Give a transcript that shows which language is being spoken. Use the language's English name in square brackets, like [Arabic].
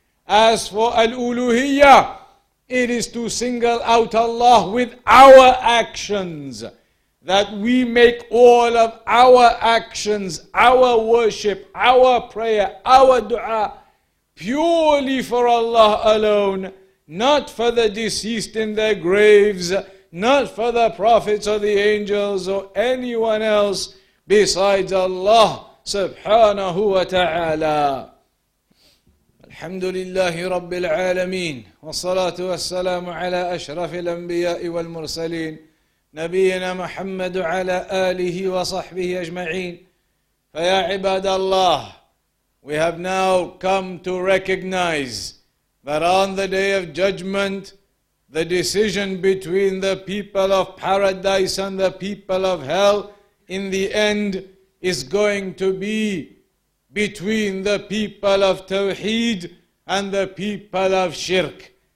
[English] As for al-uluhiyyah, it is to single out Allah with our actions, that we make all of our actions, our worship, our prayer, our dua, purely for Allah alone, not for the deceased in their graves, not for the prophets or the angels or anyone else besides Allah subhanahu wa ta'ala. [Arabic] الحمد لله رب العالمين والصلاة والسلام على أشرف الأنبياء والمرسلين نبينا محمد على آله وصحبه أجمعين. فيا عباد الله, [English] we have now come to recognize that on the day of judgment, the decision between the people of paradise and the people of hell in the end is going to be between the people of Tawheed and the people of Shirk.